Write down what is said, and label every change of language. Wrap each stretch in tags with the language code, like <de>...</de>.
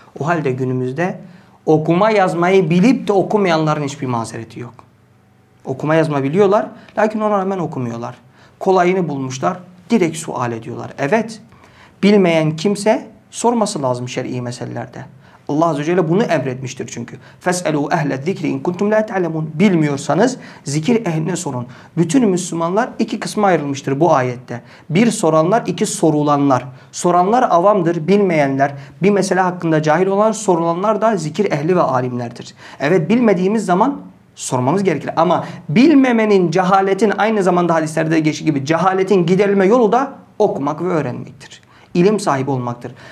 <tr>O halde günümüzde okuma yazmayı bilip de okumayanların hiçbir mazereti yok. Okuma yazma biliyorlar. Lakin ona rağmen okumuyorlar. Kolayını bulmuşlar. Direkt sual ediyorlar. Evet. Bilmeyen kimse sorması lazım şer'i meselelerde. Allah Azze ve Celle bunu emretmiştir çünkü.</tr> <ar>فَاسْأَلُوا اَهْلَ الذِّكْرِ اِنْ كُنْتُمْ لَا تَعْلَمُونَ</ar> <tr>Bilmiyorsanız zikir ehline sorun. Bütün Müslümanlar iki kısma ayrılmıştır bu ayette. Bir soranlar, iki sorulanlar. Soranlar avamdır, bilmeyenler. Bir mesele hakkında cahil olan sorulanlar da zikir ehli ve alimlerdir. Evet, bilmediğimiz zaman sormamız gerekir. Ama bilmemenin, cehaletin, aynı zamanda hadislerde geçtiği gibi cehaletin giderilme yolu da okumak ve öğrenmektir. İlim sahibi olmaktır.</tr>